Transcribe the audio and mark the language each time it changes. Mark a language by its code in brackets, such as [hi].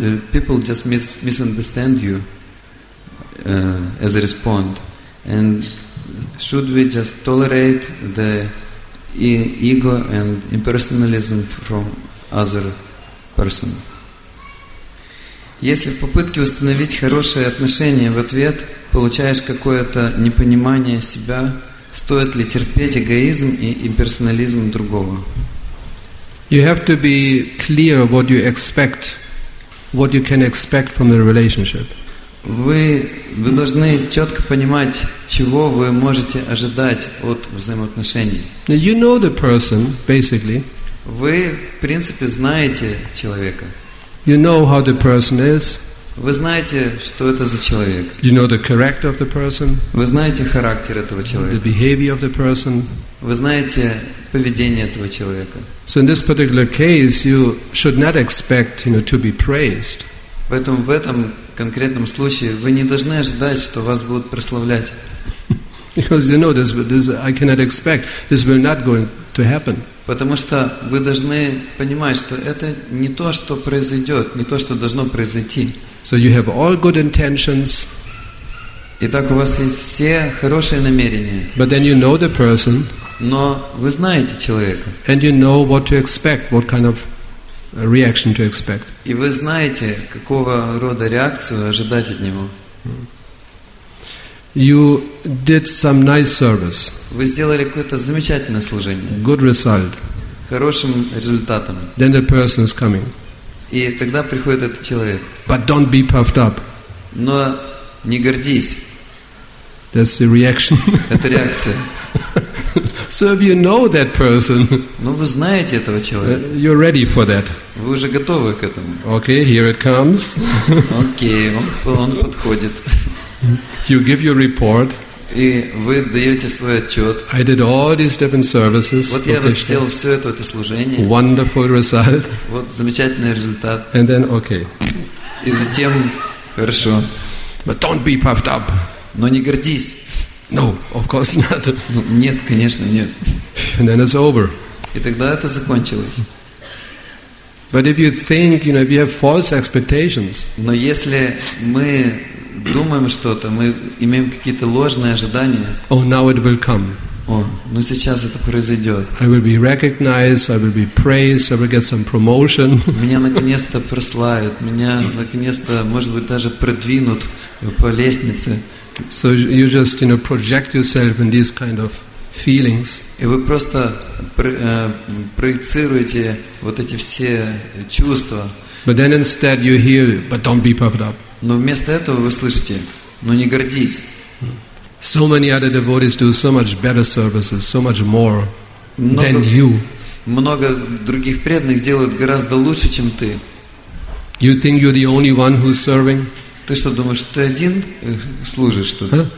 [en] People just misunderstand you as a response. And should we just tolerate the ego and impersonalism from other person? [ru] Если в попытке установить хорошее отношение в ответ получаешь какое-то непонимание себя, стоит ли терпеть эгоизм и имперсонализм другого? [en] You have to be clear what you expect, what you can expect from the relationship. [ru] Вы должны четко понимать, чего вы можете ожидать от взаимоотношений. [en] Now you know the person, basically. [ru] Вы, в принципе, знаете человека. [en] You know how the person is. [ru] Вы знаете, что это за человек. [en] You know the character of the person. [ru] Вы знаете характер этого человека. [en] The behavior of the person. [ru] Вы знаете поведение этого человека. [en] So in this particular case, you should not expect, you know, to be praised. [ru] Поэтому в этом конкретном случае вы не должны ожидать, что вас будут прославлять. [en] Because you know this I cannot expect. This will not going to happen. [ru] Потому что вы должны понимать, что это не то, что произойдет, не то, что должно произойти. [en] So you have all good intentions. [ru] Итак, у вас есть все хорошие намерения. [en] But then you know the person. [ru] Но вы знаете человека. [en] And you know what to expect, what kind of reaction to expect. [ru] И вы знаете, какого рода реакцию ожидать от него. [en] You did some nice service. [ru] Вы сделали какое-то замечательное служение. [en] Good result. [ru] Хорошим результатом. [en] Then the person is coming. [ru] И тогда приходит этот человек. [en] But don't be puffed up. [ru] Но не гордись. [en] That's the reaction. [ru] Это реакция. [en] So if you know that person, [ru] ну вы знаете этого человека. [en] You're ready for that. [ru] Вы уже готовы к этому. [en] Okay, here it comes. [ru] Окей, он подходит. [en] You give your report. [ru] И вы даете свой отчет. [en] I did all these different services. [ru] Вот я вот сделал все это служение. [en] Wonderful result. [ru] Вот замечательный результат. [en] And then okay. [ru] И затем хорошо. [en] But don't be puffed up. [ru] Но не гордись. [en] No, of course not. [ru] Ну, нет, конечно, нет. [en] And then it's over. [ru] И тогда это закончилось. [en] But if you think, you know, if you have false expectations. [ru] Но если мы думаем что-то, мы имеем какие-то ложные ожидания. [en] Oh, now it will come. [ru] О, ну сейчас это произойдет. [en] I will be recognized, I will be praised, I will get some promotion. [ru] Меня наконец-то прославят, меня наконец-то, может быть, даже продвинут по лестнице. [en] So you just, you know, project yourself in these kind of feelings. [ru] И вы просто проецируете вот эти все чувства. [en] But then instead you hear, but don't be puffed up. [ru] Но вместо этого вы слышите, ну не гордись. [en] So many other devotees do so much better services, so much more. than you. [ru] Много других преданных делают гораздо лучше, чем ты. You think you're the only one who's serving? Ты что думаешь, ты один служишь тут?